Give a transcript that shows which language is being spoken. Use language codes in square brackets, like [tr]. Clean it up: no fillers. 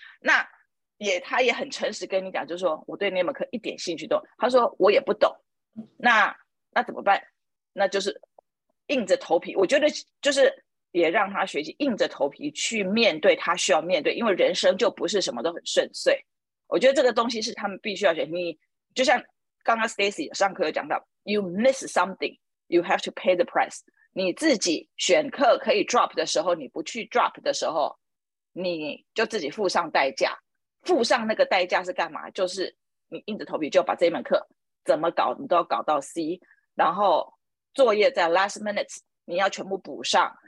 [zh] 那也他也很诚实跟你讲，就是说我对那门课一点兴趣都，他说我也不懂，那怎么办？那就是硬着头皮，我觉得就是也让他学习硬着头皮去面对他需要面对，因为人生就不是什么都很顺遂。我觉得这个东西是他们必须要学。你就像刚刚 Stacy 上课有讲到 [en] You miss something, you have to pay the price。 [zh] 你自己选课可以 drop 的时候，你不去 drop 的时候，你就自己付上代价。付上那个代价是干嘛？就是你硬着头皮就把这门课怎么搞你都要搞到 C， 然后作业在 last minute 你要全部补上。